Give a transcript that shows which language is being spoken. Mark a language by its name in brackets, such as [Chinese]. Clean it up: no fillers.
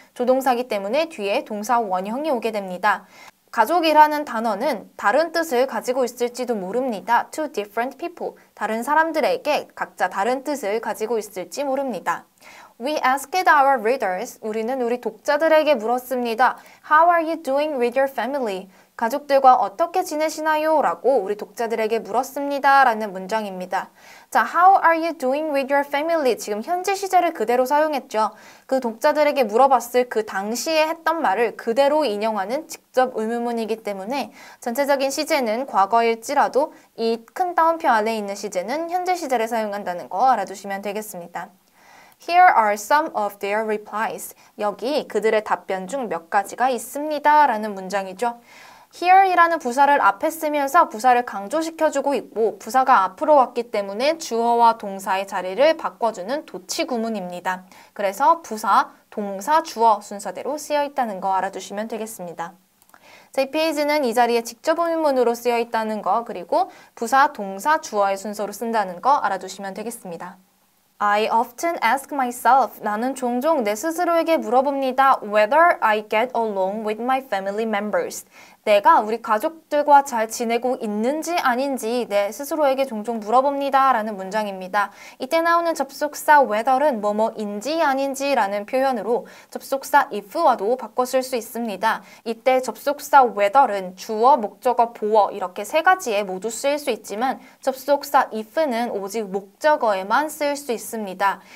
[Korean] 조동사이기 때문에 뒤에 동사 원형이 오게 됩니다. 가족이라는 단어는 다른 뜻을 가지고 있을지도 모릅니다. [English] To different people. [Korean] 다른 사람들에게 각자 다른 뜻을 가지고 있을지 모릅니다. [English] We asked our readers, [Korean] 우리는 우리 독자들에게 물었습니다. [English] How are you doing with your family? [Korean] 가족들과 어떻게 지내시나요? 라고 우리 독자들에게 물었습니다. 라는 문장입니다. [English] 자, How are you doing with your family? [Korean] 지금 현재 시제를 그대로 사용했죠. 그 독자들에게 물어봤을 그 당시에 했던 말을 그대로 인용하는 직접 의문문이기 때문에 전체적인 시제는 과거일지라도 이 큰 따옴표 안에 있는 시제는 현재 시제를 사용한다는 거 알아두시면 되겠습니다. [English] Here are some of their replies. [Korean] 여기 그들의 답변 중 몇 가지가 있습니다. 라는 문장이죠. Here이라는 부사를 앞에 쓰면서 부사를 강조시켜주고 있고 부사가 앞으로 왔기 때문에 주어와 동사의 자리를 바꿔주는 도치 구문입니다. 그래서 부사, 동사, 주어 순서대로 쓰여 있다는 거 알아두시면 되겠습니다. 제 페이지는 이 자리에 직접 의문문으로 쓰여 있다는 거 그리고 부사, 동사, 주어의 순서로 쓴다는 거 알아두시면 되겠습니다. [English] I often ask myself, [Korean] 나는 종종 내 스스로에게 물어봅니다. [English] Whether I get along with my family members. [Korean] 내가 우리 가족들과 잘 지내고 있는지 아닌지 내 스스로에게 종종 물어봅니다. 라는 문장입니다. 이때 나오는 접속사 whether은 뭐뭐인지 아닌지 라는 표현으로 접속사 if와도 바꿔 쓸 수 있습니다. 이때 접속사 whether은 주어, 목적어, 보어 이렇게 세 가지에 모두 쓰일 수 있지만 접속사 if는 오직 목적어에만 쓰일 수 있습니다.